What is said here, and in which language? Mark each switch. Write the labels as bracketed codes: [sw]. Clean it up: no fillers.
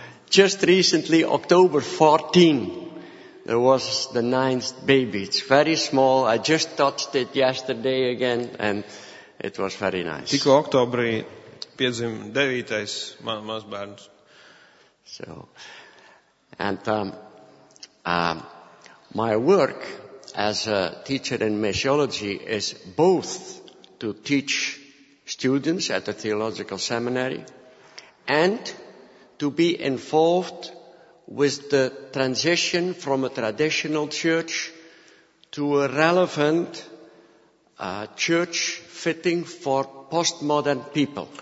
[en] Just recently, October 14, there was the ninth baby. It's very small. I just touched it yesterday again, and it was very nice. [lv] Tikko oktobrī piedzim devītais mazbērns. [en] So, and my work as a teacher in missiology is both to teach students at the theological seminary and to be involved with the transition from a traditional church to a relevant church fitting for postmodern people.